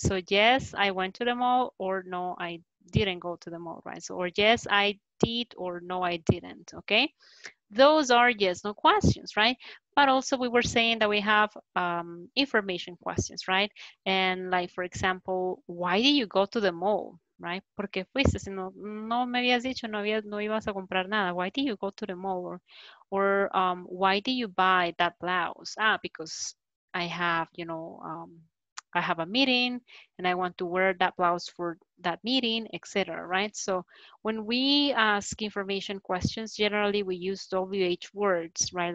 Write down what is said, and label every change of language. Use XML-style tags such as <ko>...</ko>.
<en>So yes, I went to the mall, or no, I didn't go to the mall, right? So, or yes, I did, or no, I didn't, okay? Those are yes, no questions, right? But also we were saying that we have information questions, right? And like, for example, why did you go to the mall? Right?</en> <es>Porque fuiste, si no me habías dicho, no ibas a comprar nada.</es> <en>Why did you go to the mall? Or why did you buy that blouse? Ah, because I have, you know, I have a meeting and I want to wear that blouse for that meeting, etc. Right? So when we ask information questions, generally we use WH words, right?</en>